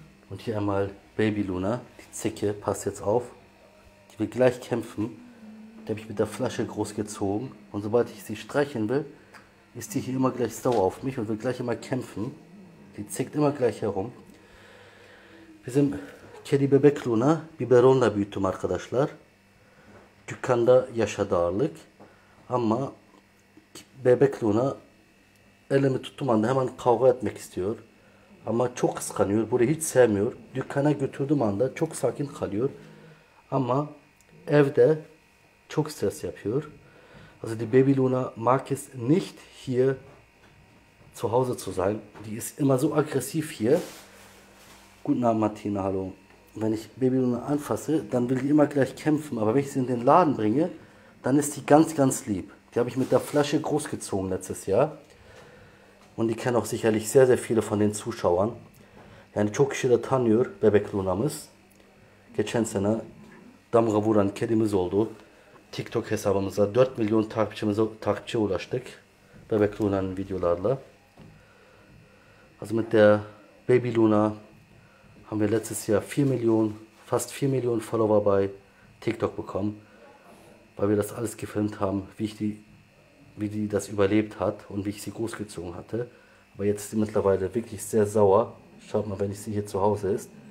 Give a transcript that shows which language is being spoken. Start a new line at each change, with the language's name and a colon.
German: Und hier einmal Baby Luna, die Zicke, passt jetzt auf. Die will gleich kämpfen. Die habe ich mit der Flasche großgezogen. Und sobald ich sie streicheln will, ist die hier immer gleich sauer auf mich und will gleich immer kämpfen. Die zickt immer gleich herum. Wir sind
Turkish: Kedi bebek Luna biberonla büyüttüm arkadaşlar. Dükkanda yaşadı ağırlık. Ama bebek Luna elimi tuttuğum anda hemen kavga etmek istiyor. Ama çok kıskanıyor. Burayı hiç sevmiyor. Dükkana götürdüğüm anda çok sakin kalıyor. Ama evde çok stres yapıyor.
German: Also die Baby Luna mag es nicht hier zu Hause zu sein. Die ist immer so aggressiv hier. Guten Abend Martina, hallo. Wenn ich Baby Luna anfasse, dann will die immer gleich kämpfen. Aber wenn ich sie in den Laden bringe, dann ist die ganz, ganz lieb. Die habe ich mit der Flasche großgezogen letztes Jahr. Und die kennen auch sicherlich sehr, sehr viele von den Zuschauern.
Turkish: Yani çok kişi de tanıyor bebek Luna'mız. Geçen sene damga vuran kedimiz oldu. TikTok hesabımıza 4 milyon takipçiye ulaştık. Bebek Luna'nın videolarla.
German: Also mit der Baby Luna haben wir letztes Jahr fast 4 Millionen Follower bei TikTok bekommen. Weil wir das alles gefilmt haben, wie die das überlebt hat und wie ich sie großgezogen hatte. Aber jetzt ist sie mittlerweile wirklich sehr sauer. Schaut mal, wenn ich sie hier zu Hause ist.